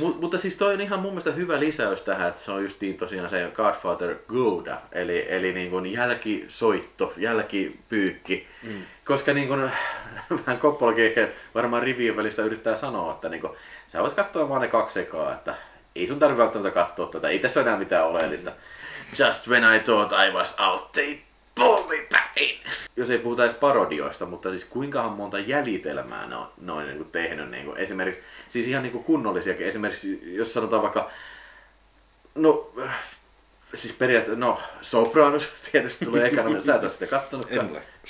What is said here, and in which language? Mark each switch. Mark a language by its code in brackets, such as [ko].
[fi] Mutta siis toi on ihan mun mielestä hyvä lisäys tähän, että se on justiin tosiaan se Godfather Gouda, eli niin kuin jälkisoitto, jälkipyykki. Mm. Koska niin kuin, vähän Koppolakin ehkä varmaan rivien välistä yrittää sanoa, että niin kuin, sä voit katsoa vaan ne 2 ekaa, että ei sun tarvitse välttämättä katsoa tätä, ei tässä enää mitään oleellista. [en] Just when I thought I was out, they pulled me back in. [fi] Jos ei puhuta edes parodioista, mutta siis kuinkahan monta jäljitelmää ne on noin niin kuin tehnyt. Niin kuin esimerkiksi, siis ihan niin kuin kunnollisiakin. Esimerkiksi jos sanotaan vaikka, no... Siis periaatteessa, no, Sopranos tietysti tulee ekana, sä et ole sitä kattonutkaan. En ole.